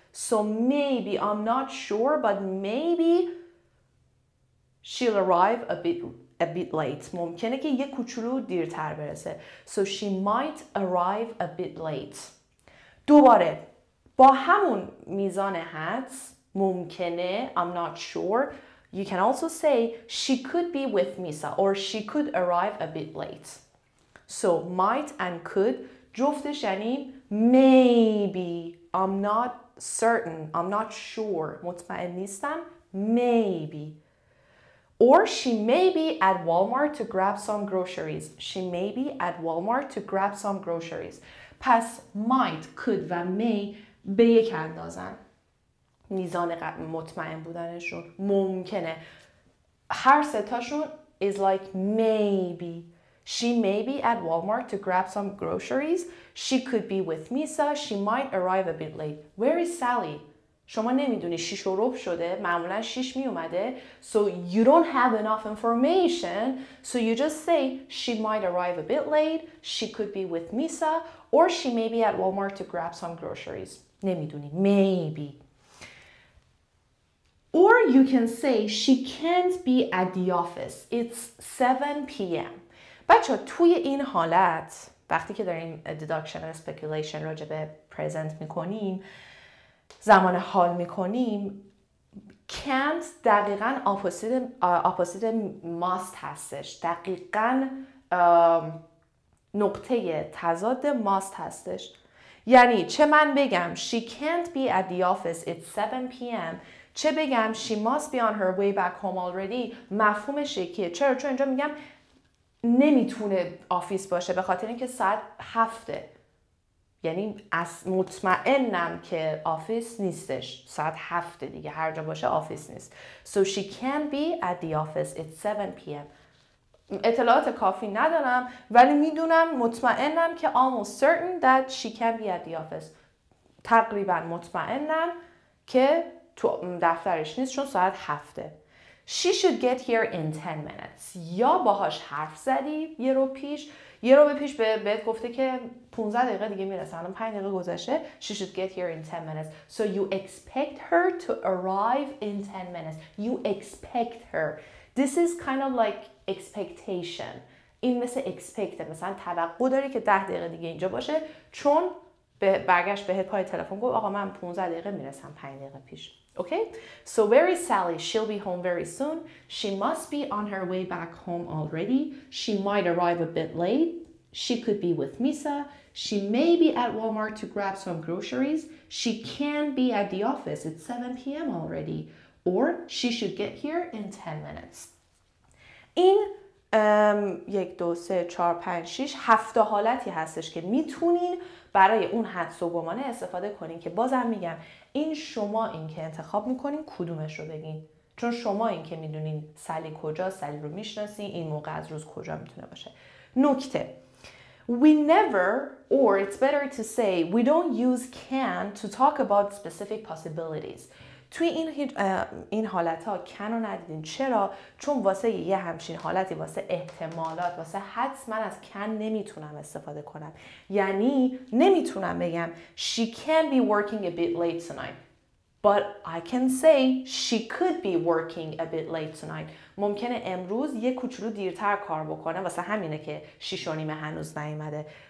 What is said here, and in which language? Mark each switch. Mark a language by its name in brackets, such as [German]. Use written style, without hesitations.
[English] So maybe I'm not sure, but maybe she'll arrive a bit late. [Persian] ممکنه که یه کوچولو دیرتر برسه. [English] So she might arrive a bit late. [Persian] دوباره با همون میزان حدس ممکنه، [English] I'm not sure. You can also say she could be with Misa or she could arrive a bit late. So might and could [Persian] جفتش یعنی [English] maybe. I'm not certain. I'm not sure. [Persian] مطمئن نیستم. [English] Maybe. Or she may be at Walmart to grab some groceries. She may be at Walmart to grab some groceries. [Persian] پس might, could و may به یک اندازن میزان مطمئن بودنشون. ممکنه هر ستاشون [English] is like maybe. She may be at Walmart to grab some groceries. She could be with Misa. She might arrive a bit late. Where is Sally? [Persian] شما نمیدونی، 6:15 شده، معمولا 6 میومده. [English] So you don't have enough information. So you just say she might arrive a bit late. She could be with Misa. Or she may be at Walmart to grab some groceries. [Persian] نمیدونی، maybe. [English] Or you can say she can't be at the office. It's 7 p.m. [Persian] بچه ها توی این حالت وقتی که داریم [English] deduction and speculation [Persian] راجع به present میکنیم، زمان حال میکنیم، can't دقیقا opposite must هستش. دقیقا نقطه تضاد must هستش. یعنی چه من بگم [English] she can't be at the office, it's 7 p.m. [Persian] چه بگم [English] she must be on her way back home already، [Persian] مفهومش که چرا، چون اینجا میگم نمیتونه آفیس باشه به خاطر اینکه ساعت 7، یعنی از مطمئنم که آفیس نیستش، ساعت 7 دیگه هر جا باشه آفیس نیست. [English] So she can't be at the office, it's 7 p.m. [Persian] اطلاعات کافی ندارم ولی میدونم، مطمئنم که [English] almost certain that she can be at the office. [Persian] تقریبا مطمئنم که تو دفترش نیست چون ساعت 7. [English] She should get here in 10 minutes. [Persian] یا باهاش حرف زدی یه رو پیش بهت گفته که 15 دقیقه دیگه میرسه، الان 5 دقیقه گذشته. [English] She should get here in 10 minutes. So you expect her to arrive in 10 minutes. You expect her. This is kind of like expectation. [Persian] این مثل expect، مثلا توقع داری که 10 دقیقه دیگه اینجا باشه، چون به برگشت بهت پای تلفن گفت آقا من 15 دقیقه میرسم 5 دقیقه پیش. [English] Okay? So where is Sally? She'll be home very soon. She must be on her way back home already. She might arrive a bit late. She could be with Misa. She may be at Walmart to grab some groceries. She can be at the office. It's 7 p.m. already. Or she should get here in 10 minutes. [Persian] این 1, 2, 3, 4, 5, 6 هفته حالتی هستش که میتونین برای اون حدس و گمانه استفاده کنین، که بازم میگم این شما این که انتخاب میکنین کدومش رو بگین، چون شما این که میدونین سلی کجا، سلی رو میشناسین، این موقع از روز کجا میتونه باشه. نکته، [English] We never, or it's better to say, we don't use can to talk about specific possibilities. [Persian] توی این حالت ها can رو ندیدین. چرا؟ چون واسه یه همچین حالتی، واسه احتمالات، واسه حدس، من از can نمیتونم استفاده کنم. یعنی نمیتونم بگم [English] she can be working a bit late tonight. But I can say she could be working a bit late tonight. [Persian] ممکنه امروز یه کوچولو دیرتر کار بکنه، واسه همینه که 6 و نیمه هنوز نیومده.